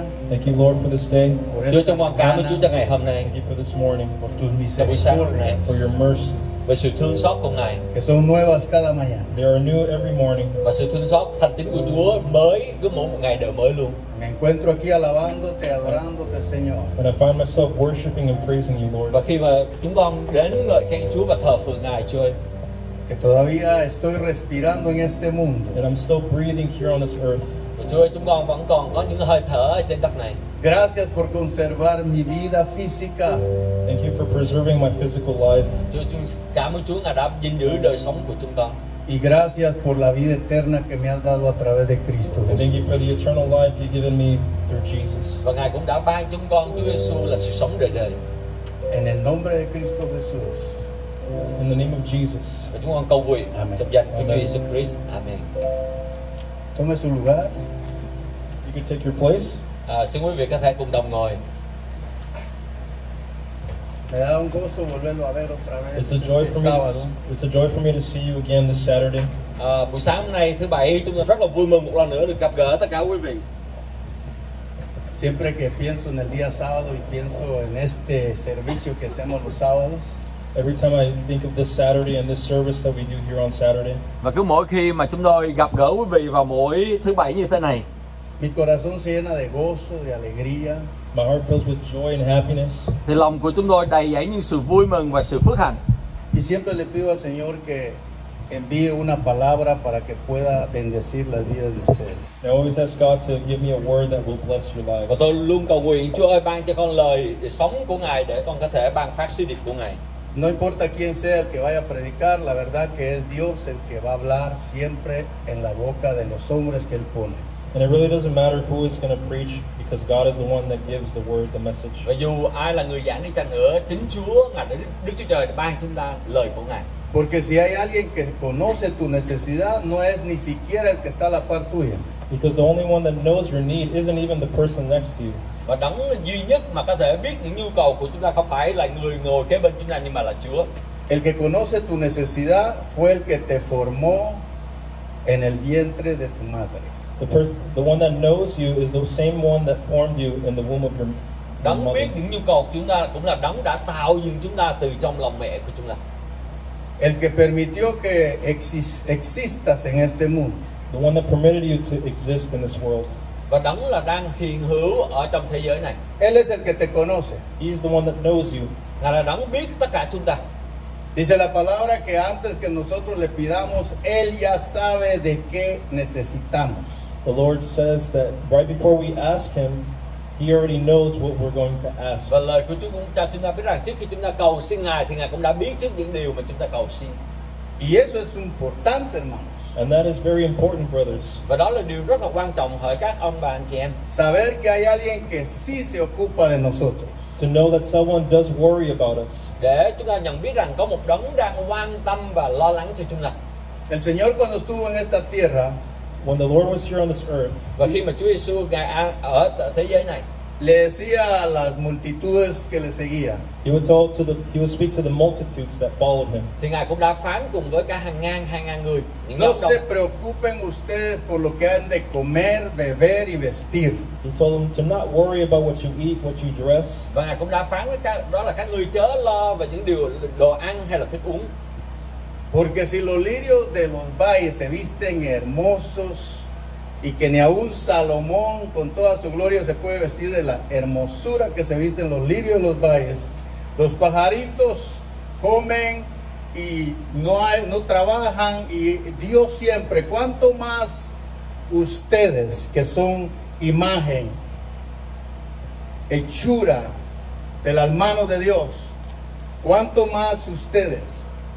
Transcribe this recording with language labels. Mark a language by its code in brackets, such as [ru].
[en] Thank you, Lord, for this day. [vi] Chúa, chúng con cảm ơn Chúa cho ngày hôm nay. [en] Thank you for this morning. [es] Por tu misericordia. [en] For your mercy. [vi] Và sự thương xót của Ngài. [es] Que son nuevas cada mañana. [en] They are new every morning. [vi] Và sự thương xót thành tín của Chúa mới cứ mỗi một ngày đều mới luôn. [es] Me encuentro aquí alabándote, adorándote, Señor. [en] When I find myself worshiping and praising you, Lord. [vi] Và khi mà chúng con đến ngợi khen Chúa và thờ phượng Ngài, Chúa. [es] Que todavía estoy respirando en este mundo. [en] And I'm still breathing here on this earth. [vi] Chúa, chúng con vẫn còn có những hơi thở trên đất này. [es] Gracias por conservar mi vida física. [en] Thank you for preserving my physical life. [vi] Cảm ơn Chúa đã gìn giữ đời sống của chúng con. [es] Y gracias por la vida eterna que me has dado a través de Cristo Jesús. [en] Thank you for the eternal life you've given me through Jesus. [vi] Và Ngài cũng đã ban chúng con Chúa Giêsu là sự sống đời đời. [es] En el nombre de Cristo Jesús. [en] In the name of Jesus. [vi] Và chúng con cầu nguyện trong danh của Chúa Giêsu Christ. [en] Amen. [es] Tome su lugar. [en] You can take your place. [vi] Xin quý vị có thể cùng đồng ngồi. [en] It's a joy for me. It's a joy for me to see you again this Saturday. [vi] Buổi sáng hôm nay thứ bảy chúng tôi rất là vui mừng một lần nữa được gặp gỡ tất cả quý vị. [es] Siempre que pienso en el día sábado y pienso en este servicio que hacemos los sábados. [en] Every time I think of this Saturday and this service that we do here on Saturday. [vi] Và cứ mỗi khi mà chúng tôi gặp gỡ quý vị vào mỗi thứ bảy như thế này. [es] Mi corazón se llena de gozo, de alegría. [en] My heart fills with joy and happiness. [vi] Thì lòng của chúng tôi đầy dẫy những sự vui mừng và sự phước hạnh. [es] Y siempre le pido al Señor que envíe una palabra para que pueda bendecir la vida de ustedes. [en] I always ask God to give me a word that will bless your life. [vi] Và tôi luôn cầu nguyện Chúa ơi ban cho con lời để sống của Ngài để con có thể ban phát sứ điệp của Ngài. [es] No importa quién sea el que vaya a predicar, la verdad que es Dios el que va a hablar siempre en la boca de los hombres que él pone. [en] And it really doesn't matter who is going to preach because God is the one that gives the word, the message. [vi] Và dù ai là người giảng đi chăng nữa, chính Chúa, Ngài Đức Chúa Trời ban chúng ta lời của Ngài. [es] Porque si hay alguien que conoce tu necesidad, no es ni siquiera el que está a la par tuya. [en] Because the only one that knows your need isn't even the person next to you. [vi] Và đấng duy nhất mà có thể biết những nhu cầu của chúng ta không phải là người ngồi kế bên chúng ta nhưng mà là Chúa. [es] El que conoce tu necesidad fue el que te formó en el vientre de tu madre. [en] The one that knows you is the same one that formed you in the womb of your mother. [vi] Đấng biết những nhu cầu chúng ta cũng là đấng đã tạo dựng chúng ta từ trong lòng mẹ của chúng ta. [es] El que permitió que existas en este mundo. [en] The one that permitted you to exist in this world. [vi] Và đấng là đang hiện hữu ở trong thế giới này. [es] Él es el que te conoce. [en] He is the one that knows you. [vi] Ngài là đấng biết tất cả chúng ta. [es] Dice la palabra que antes que nosotros le pidamos, Él ya sabe de qué necesitamos. [en] The Lord says that right before we ask Him, He already knows what we're going to ask. [vi] Và lời của chúng ta biết rằng trước khi chúng ta cầu xin Ngài thì Ngài cũng đã biết trước những điều mà chúng ta cầu xin. [es] Y eso es importante, hermanos. [en] And that is very important, brothers. [vi] Và đó là điều rất là quan trọng hỡi các ông bà anh chị em. [es] Saber que hay alguien que sí se ocupa de nosotros. [en] To know that someone does worry about us. [vi] Để chúng ta nhận biết rằng có một đấng đang quan tâm và lo lắng cho chúng ta. [es] El Señor cuando estuvo en esta tierra. [en] When the Lord was here on this earth. [vi] Và khi mà Chúa Giêsu ngài ở thế giới này. [es] Le decía a las multitudes que le seguía. [en] He would speak to the multitudes that followed him. [vi] Thì ngài cũng đã phán cùng với cả hàng ngàn người. [es] No se preocupen ustedes por lo que han de comer, beber y vestir. [en] He told them to not worry about what you eat, what you dress. [vi] Và ngài cũng đã phán với các đó là các người chớ lo về những điều đồ ăn hay là thức uống. [es] Porque si los lirios de los valles se visten hermosos y que ni aun Salomón con toda su gloria se puede vestir de la hermosura que se visten los lirios de los valles, los pajaritos comen y no trabajan y Dios siempre, cuanto más ustedes que son imagen, hechura de las manos de Dios, cuanto más ustedes.